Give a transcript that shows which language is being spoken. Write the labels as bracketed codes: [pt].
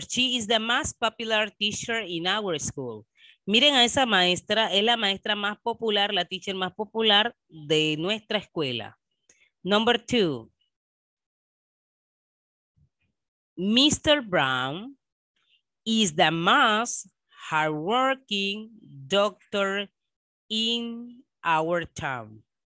[en] She is the most popular teacher in our school. [es] Miren a esa maestra. Es la maestra más popular, la teacher más popular de nuestra escuela. [en] Number two. Mr. Brown is the most hardworking doctor in our town.